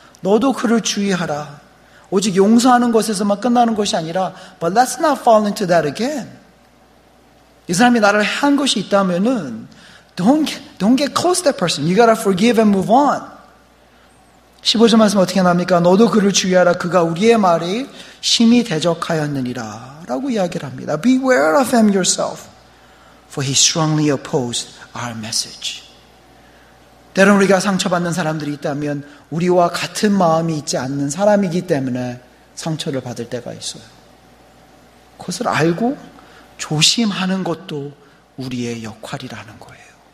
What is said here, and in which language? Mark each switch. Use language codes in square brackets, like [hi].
[ko] 너도 그를 주의하라. 오직 용서하는 것에서만 끝나는 것이 아니라 [en] But let's not fall into that again. [ko] 이 사람이 나를 해한 것이 있다면은 [en] don't get close to that person. You gotta forgive and move on. [ko] 15절 말씀 어떻게 나옵니까? 너도 그를 주의하라. 그가 우리의 말에 심히 대적하였느니라. 라고 이야기를 합니다. [en] Beware of him yourself, for he strongly opposed our message. [ko] 때론 우리가 상처받는 사람들이 있다면 우리와 같은 마음이 있지 않는 사람이기 때문에 상처를 받을 때가 있어요. 그것을 알고 조심하는 것도 우리의 역할이라는 거예요.